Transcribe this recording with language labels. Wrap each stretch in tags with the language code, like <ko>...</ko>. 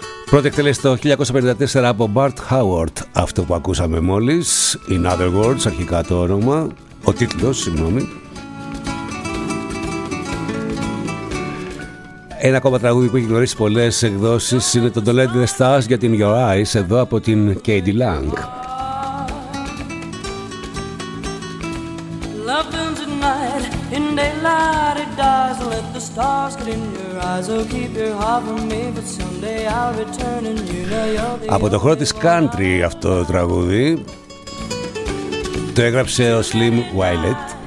<el>Πρώτη εκτέλεση το 1954 από Bart Howard, αυτό που ακούσαμε μόλις,</el> <en>in other words,</en> <el>αρχικά το όνομα, ο τίτλος, συγγνώμη. Ένα ακόμα τραγούδι που έχει γνωρίσει πολλές εκδόσεις είναι το Don't Let the Stars Get in Your Eyes, εδώ από την Katie Lang.</el> <en>Love comes at night, in daylight it dies. Don't let the stars get in your eyes. Oh, keep your heart from me, but someday I'll return and you know you'll be.</en> <el>Από το χώρο της country αυτό το τραγούδι. Το έγραψε ο Slim Violet.</el>